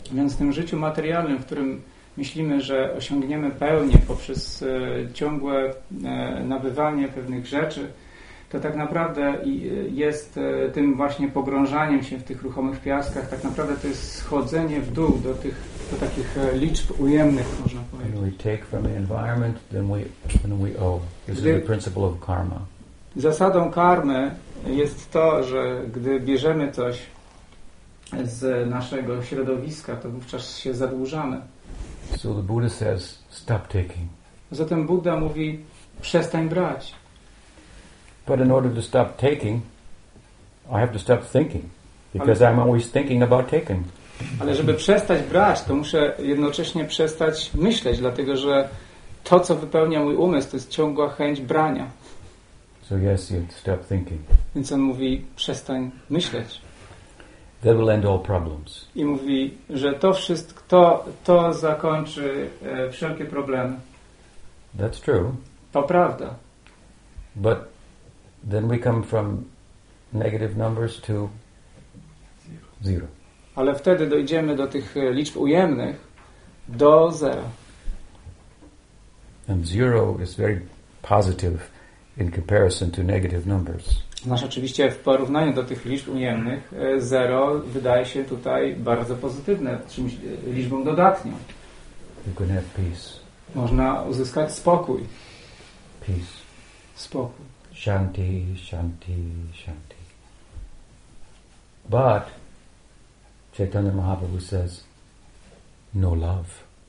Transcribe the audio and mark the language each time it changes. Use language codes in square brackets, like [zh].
[pl] Więc w tym życiu materialnym, w którym myślimy, że osiągniemy pełnię poprzez ciągłe nabywanie pewnych rzeczy, to tak naprawdę jest tym właśnie pogrążaniem się w tych ruchomych piaskach, tak naprawdę to jest schodzenie w dół do takich liczb ujemnych, można powiedzieć. [en] We take from the environment, then we owe. This is the principle of karma. [pl] Zasadą karmy jest to, że gdy bierzemy coś z naszego środowiska, to wówczas się zadłużamy. [en] So the Buddha says, stop taking. [pl] Zatem Buddha mówi, przestań brać. [en] But in order to stop taking, I have to stop thinking, because I'm always thinking about taking. [pl] Ale żeby przestać brać, to muszę jednocześnie przestać myśleć, dlatego że to, co wypełnia mój umysł, to jest ciągła chęć brania. [en] So yes, you stop thinking. [pl] Więc on mówi, przestań myśleć. [en] That will end all problems. [pl] I mówi, że to wszystko, to zakończy wszelkie problemy. [en] That's true. [pl] To prawda. [en] But then we come from negative numbers to zero. [pl] Ale wtedy dojdziemy do tych liczb ujemnych do zera. [en] And zero is very positive in comparison to negative numbers. [pl] Znaczy, oczywiście w porównaniu do tych liczb ujemnych zero wydaje się tutaj bardzo pozytywne, czymś liczbą dodatnią. [en] You can have peace. [pl] Można uzyskać spokój. [en] Peace. [pl] Spokój. [en] Shanti, shanti, shanti. But Chaitanya Mahaprabhu says no love.